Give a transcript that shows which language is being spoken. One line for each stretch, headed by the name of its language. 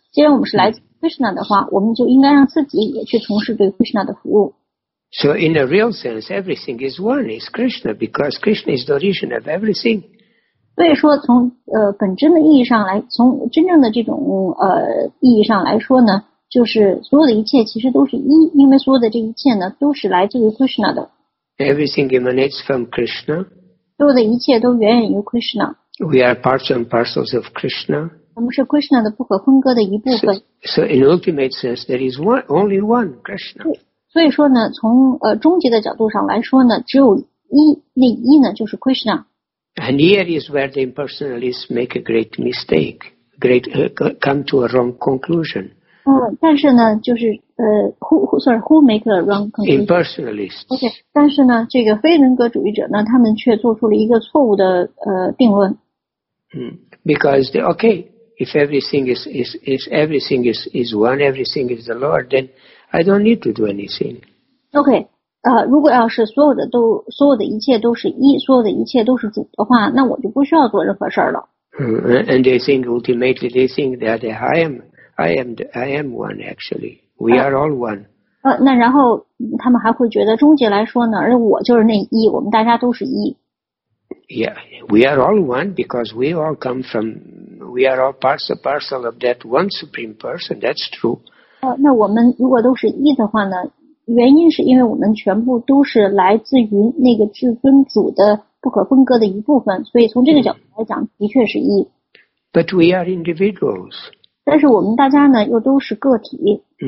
Chinese: 既然我们是来自 Krishna 的话，我们就应该让自己也去从事对 Krishna 的服务。
English: So in a real sense, everything is one, is Krishna, because Krishna is the origin of everything.
Chinese: 所以说从本真的意义上来，从真正的这种意义上来说呢，就是所有的一切其实都是一，因为所有的这一切呢都是来自于 Krishna 的。
English: Everything emanates from Krishna.
Chinese: 所有的一切都源远于 Krishna.
English: We are parts and parcels of Krishna.
Chinese: 我们是 Krishna 的不可分割的一部分。
English: So in ultimate sense, there is one, only one Krishna.
Chinese: 所以说呢，从终极的角度上来说呢，只有一，那一呢就是 Krishna。
English: And here is where the impersonalists make a great mistake, come to a wrong conclusion.
Chinese: 但是呢，就是
English: who make a wrong conclusion? Impersonalists.
Chinese: Okay, 但是呢，这个非人格主义者呢，他们却做出了一个错误的定论。
English: Because if everything is one, everything is the Lord, then. I don't need to do anything.
Chinese: Okay, 如果要是所有的一切都是一，所有的一切都是主的话，那我就不需要做任何事了。
English: And they think ultimately, they think that I am one actually. We are all one.
Chinese: 那然后他们还会觉得终极来说呢，而我就是那一，我们大家都是一。
English: Yeah, we are all one because we all come from, we are all parcel of that one supreme person, that's true.
Chinese: 那我们如果都是一的话呢，原因是因为我们全部都是来自于那个至尊主的不可分割的一部分，所以从这个角度来讲的确是一。
English: But we are individuals.
Chinese: 但是我们大家呢又都是个体。